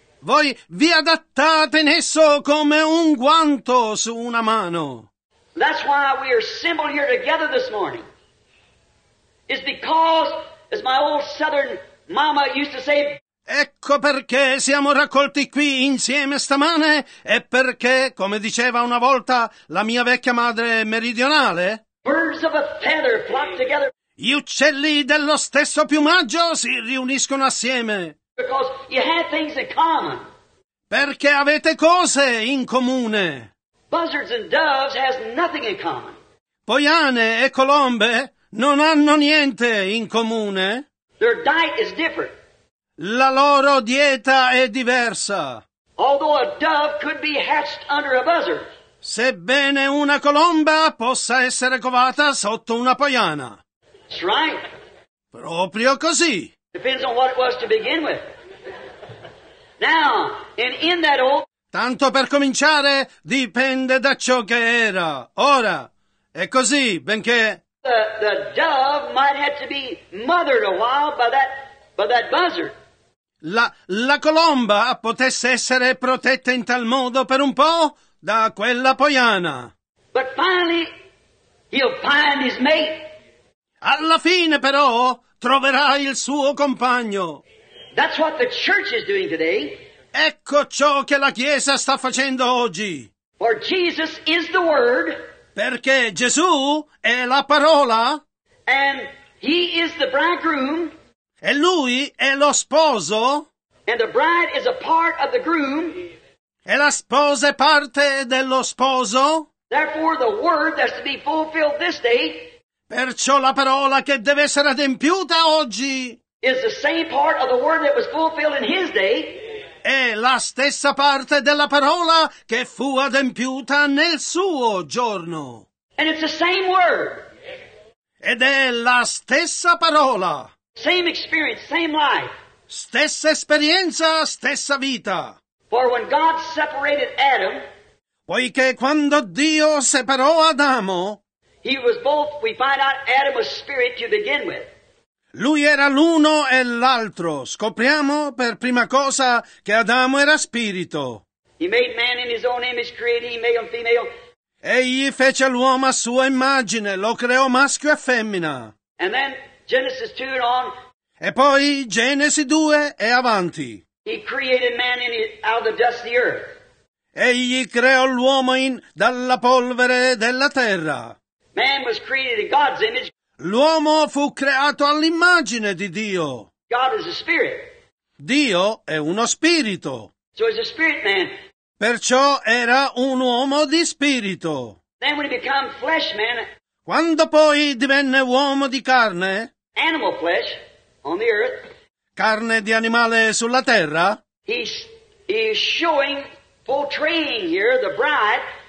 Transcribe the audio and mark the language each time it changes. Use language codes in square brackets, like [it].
[it] Voi vi adattate in esso come un guanto su una mano. [en] That's why we are assembled here together this morning. It's because, as my old southern mama used to say, [it] ecco perché siamo raccolti qui insieme stamane, e perché, come diceva una volta la mia vecchia madre meridionale, [en] birds of a feather flock together. [it] Gli uccelli dello stesso piumaggio si riuniscono assieme. [en] Because you have things in common. [it] Perché avete cose in comune. [en] Buzzards and doves has nothing in common. [it] Poiane e colombe non hanno niente in comune. [en] Their diet is different. [it] La loro dieta è diversa. [en] Although a dove could be hatched under a buzzard. [it] Sebbene una colomba possa essere covata sotto una poiana. [en] That's right. [it] Proprio così. [en] Depends on what it was to begin with. Now, and in that old... [it] Tanto per cominciare, dipende da ciò che era. Ora, è così, benché... [en] The dove might have to be mothered a while by that buzzard. [it] La colomba potesse essere protetta in tal modo per un po' da quella poiana. [en] But finally, he'll find his mate. [it] Alla fine, però, troverà il suo compagno. [en] That's what the church is doing today. [it] Ecco ciò che la Chiesa sta facendo oggi. [en] For Jesus is the Word. [it] Perché Gesù è la parola. [en] And he is the bridegroom. [it] E lui è lo sposo. [en] And the bride is a part of the groom. [it] E la sposa è parte dello sposo. [en] Therefore the word that's to be fulfilled this day. [it] Perciò la parola che deve essere adempiuta oggi [en] is the same part of the word that was fulfilled in his day. [it] È la stessa parte della parola che fu adempiuta nel suo giorno. [en] And it's the same word. [it] Ed è la stessa parola. [en] Same experience, same life. [it] Stessa esperienza, stessa vita. [en] For when God separated Adam, [it] poiché quando Dio separò Adamo, [en] he was both, we find out, Adam was spirit to begin with. [it] Lui era l'uno e l'altro. Scopriamo per prima cosa che Adamo era spirito. [en] He made man in his own image, created him male and female. [it] Egli fece l'uomo a sua immagine, lo creò maschio e femmina. [en] And then Genesis 2 and on. [it] E poi Genesi 2 e avanti. [en] He created man in it, out of the dust of the earth. [it] Egli creò l'uomo dalla polvere della terra. [en] Man was created in God's image. [it] L'uomo fu creato all'immagine di Dio. [en] God is a spirit. [it] Dio è uno spirito. [en] So he's a spirit man. [it] Perciò era un uomo di spirito. [en] Then when he became flesh man. [it] Quando poi divenne uomo di carne. [en] Animal flesh on the earth. [it] Carne di animale sulla terra. [en] He is showing, portraying here the bride.